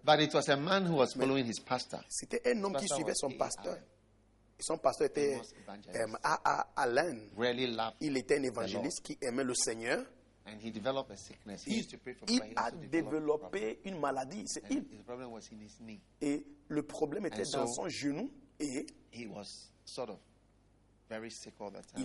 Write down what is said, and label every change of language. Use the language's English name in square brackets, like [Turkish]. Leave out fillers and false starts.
[English] But it was a man who was following his pastor. [French] C'était un homme qui suivait son pasteur. Son pasteur était A.A. Allen. [English] Really loved. [French] Il était un évangéliste qui aimait le Seigneur. [English] And he developed a sickness. He used to pray for prayer. [French] Il a développé une maladie. [English] And [French] il. [English] His problem was in his knee. [French] Et le problème était dans son genou. Et [English] he was sort of very sick all the time.